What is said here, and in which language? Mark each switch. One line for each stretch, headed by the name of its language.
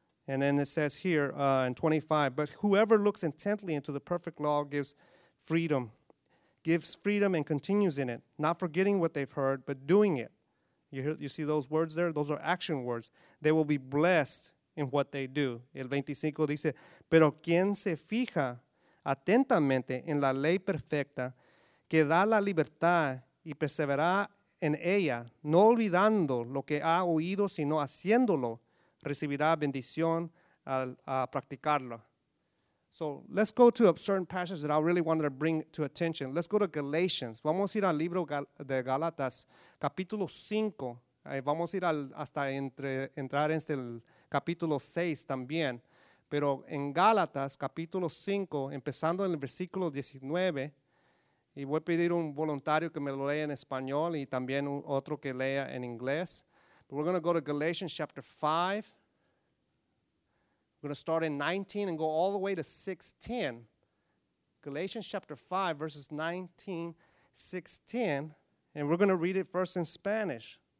English: And then it says here in 25, but whoever looks intently into the perfect law gives freedom and continues in it, not forgetting what they've heard, but doing it. You see those words there? Those are action words. They will be blessed in what they do.
Spanish: El 25 dice, pero quien se fija atentamente en la ley perfecta, que da la libertad y persevera en ella, no olvidando lo que ha oído, sino haciéndolo, recibirá bendición al practicarlo.
English: So let's go to a certain passage that I really wanted to bring to attention. Let's go to Galatians.
Spanish: Vamos a ir al libro de Gálatas, capítulo 5. Vamos a ir entrar en el capítulo 6 también. Pero en Gálatas, capítulo 5, empezando en el versículo 19, y voy a pedir un voluntario que me lo lea en español y también otro que lea en inglés.
English: But we're going to go to Galatians chapter 5. We're going to start in 19 and go all the way to 6:10. Galatians chapter 5, verses 19, 6:10. And we're going to read it first in Spanish.